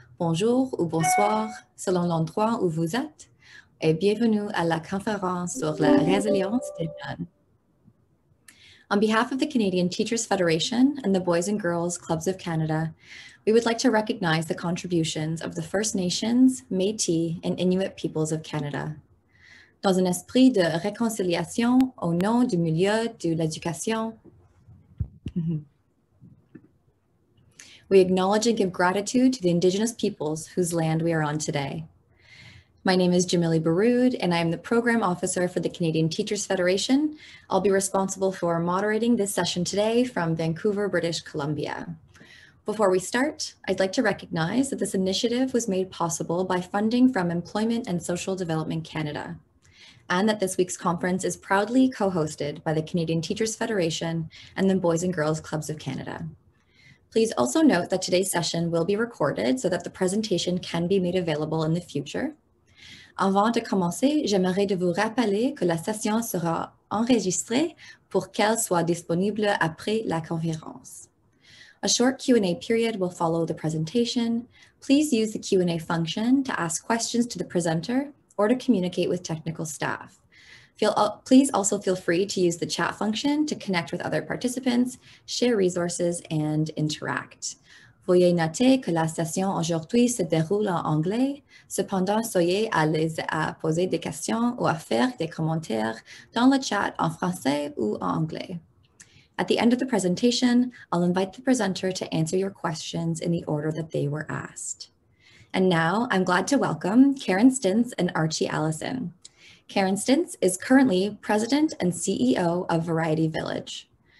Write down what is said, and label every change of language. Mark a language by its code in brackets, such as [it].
[fr] Bonjour ou bonsoir, selon l'endroit où vous êtes, et bienvenue à la conférence sur la résilience des jeunes. [en] On behalf of the Canadian Teachers Federation and the Boys and Girls Clubs of Canada, we would like to recognize the contributions of the First Nations, Métis, and Inuit peoples of Canada. [fr] Dans un esprit de réconciliation au nom du milieu de l'éducation. [en] We acknowledge and give gratitude to the Indigenous peoples whose land we are on today. My name is Jamilly Baroud, and I am the Program Officer for the Canadian Teachers Federation. I'll be responsible for moderating this session today from Vancouver, British Columbia. Before we start, I'd like to recognize that this initiative was made possible by funding from Employment and Social Development Canada, and that this week's conference is proudly co-hosted by the Canadian Teachers Federation and the Boys and Girls Clubs of Canada. Please also note that today's session will be recorded so that the presentation can be made available in the future. [fr] Avant de commencer, j'aimerais de vous rappeler que la session sera enregistrée pour qu'elle soit disponible après la conférence. [en] A short Q&A period will follow the presentation. Please use the Q&A function to ask questions to the presenter or to communicate with technical staff. Please also feel free to use the chat function to connect with other participants, share resources, and interact. [fr] Veuillez noter que la session aujourd'hui se déroule en anglais. Cependant, soyez à l'aise à poser des questions ou à faire des commentaires dans le chat en français ou en anglais. [en] At the end of the presentation, I'll invite the presenter to answer your questions in the order that they were asked. And now I'm glad to welcome Karen Stintz and Archie Allison. Karen Stintz is currently president and CEO of Variety Village.